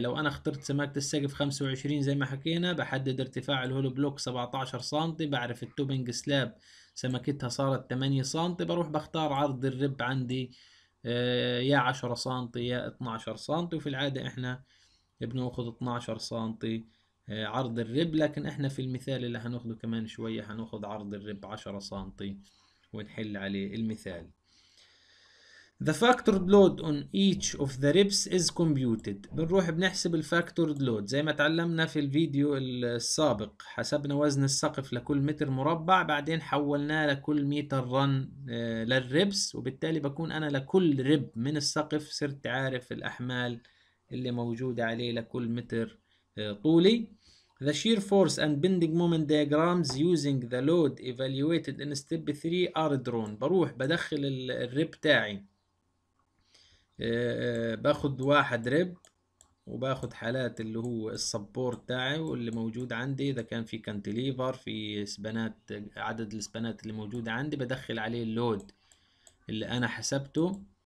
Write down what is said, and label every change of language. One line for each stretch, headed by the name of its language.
Arabic: لو انا اخترت سماكة السقف 25 زي ما حكينا، بحدد ارتفاع الهولو بلوك 17 سم، بعرف التوبنج سلاب سمكتها صارت 8 سم، بروح بختار عرض الرب عندي يا 10 سم يا 12 سم. وفي العادة احنا بناخذ 12 سم عرض الرب، لكن احنا في المثال اللي هنأخذه كمان شوية هنأخذ عرض الرب 10 سم ونحل عليه المثال.
English: The factored load on each of the ribs is computed.
Arabic: بنروح بنحسب الـ factored load زي ما تعلمنا في الفيديو السابق، حسبنا وزن السقف لكل متر مربع، بعدين حولناه لكل متر رن للربس، وبالتالي بكون أنا لكل رب من السقف صرت عارف الأحمال اللي موجودة عليه لكل متر طولي.
English: The shear force and bending moment diagrams using the load evaluated in step 3 are drawn.
Arabic: بروح بدخل الرب تاعي، باخد واحد رب وباخد حالات اللي هو السبور تاعي واللي موجود عندي، اذا كان في كانتليفر في سبانات، عدد السبانات اللي موجودة عندي، بدخل عليه اللود اللي انا حسبته